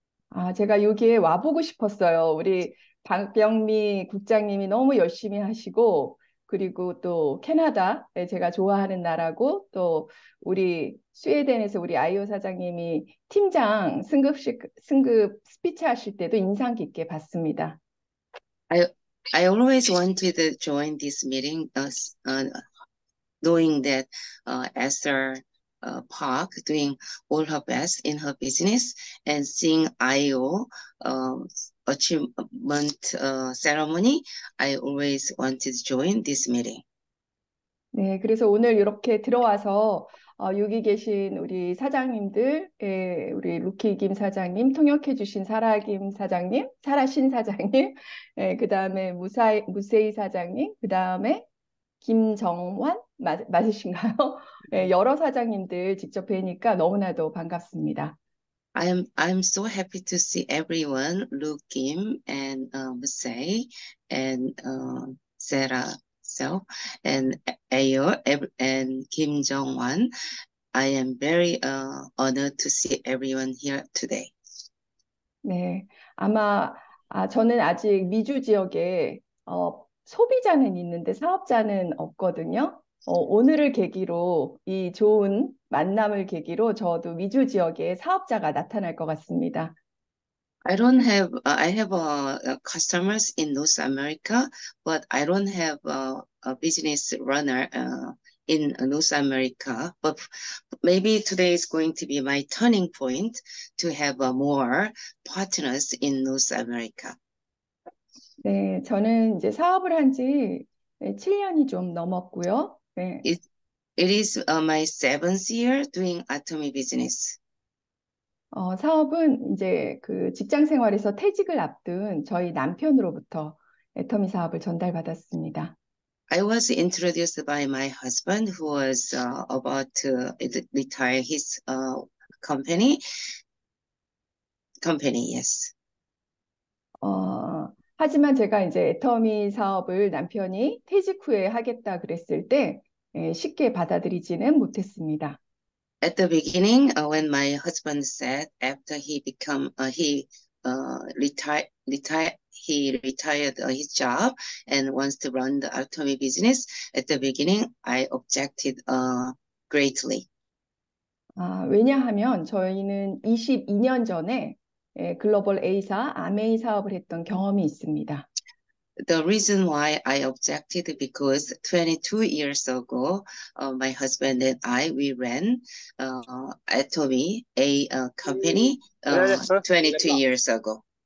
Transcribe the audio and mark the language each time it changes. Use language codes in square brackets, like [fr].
[ko] 아, 제가 여기에 와보고 싶었어요. 우리 박병미 국장님이 너무 열심히 하시고, 그리고 또 캐나다에 제가 좋아하는 나라고, 또 우리 스웨덴에서 우리 아이오 사장님이 팀장 승급 스피치 하실 때도 인상 깊게 봤습니다. [en] I always wanted to join this meeting, knowing that Esther Park doing all her best in her business and seeing IO achievement ceremony, I always wanted to join this meeting. [ko] 네, 그래서 오늘 이렇게 들어와서 여기 계신 우리 사장님들, 예, 우리 루키 김 사장님, 통역해 주신 사라 김 사장님, 사라 신 사장님, 예, 그 다음에 무세이 사장님, 그 다음에 김정환 맞으신가요? 예, 여러 사장님들 직접 뵈니까 너무나도 반갑습니다. [en] I'm so happy to see everyone, Lu Kim and Musei and Sarah. So and Ayo and Kim Jong-won, I am very honored to see everyone here today. [ko] 네, 아마 저는 아직 미주 지역에 소비자는 있는데 사업자는 없거든요. 오늘을 계기로 이 좋은 만남을 계기로 저도 미주 지역에 사업자가 나타날 것 같습니다. [en] I have customers in North America, but I don't have a business runner in North America. But maybe today is going to be my turning point to have more partners in North America. [ko] 네, 저는 이제 사업을 한지 7년이 좀 넘었고요. 네. [en] It is my seventh year doing Atomy business. [ko] 사업은 이제 그 직장 생활에서 퇴직을 앞둔 저희 남편으로부터 애터미 사업을 전달받았습니다. [en] I was introduced by my husband who was about to retire his company, yes. [ko] 하지만 제가 이제 애터미 사업을 남편이 퇴직 후에 하겠다 그랬을 때 쉽게 받아들이지는 못했습니다. [en] At the beginning, when my husband said after he become he retired retire, he retired his job and wants to run the Atomy business, at the beginning, I objected greatly. [ko] 왜냐하면 저희는 22년 전에 글로벌 A사, 아메이 사업을 했던 경험이 있습니다. [en] The reason why I objected because 22 years ago, my husband and I, we ran Atomy, a company, 22 years ago.